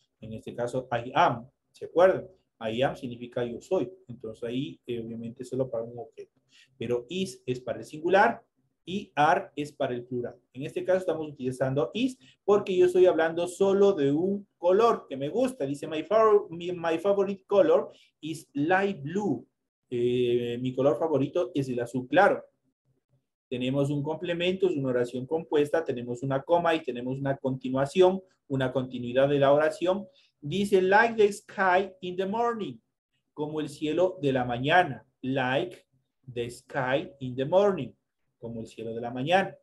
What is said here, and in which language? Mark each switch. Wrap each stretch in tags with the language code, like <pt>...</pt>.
<es>En este caso,</es> <en>I am,</en> <es>¿se acuerdan? I am significa yo soy. Entonces ahí, obviamente, solo para un objeto. Pero is es para el singular y are es para el plural. En este caso estamos utilizando is porque yo estoy hablando solo de un color que me gusta. Dice,</es> <en>my favorite color is light blue.</en> <es>Mi color favorito es el azul claro. Tenemos un complemento, es una oración compuesta. Tenemos una coma y tenemos una continuación, una continuidad de la oración. Dice,</es> <en>like the sky in the morning,</en> <es>como el cielo de la mañana.</es> <en>Like the sky in the morning,</en> <es>como el cielo de la mañana.</es>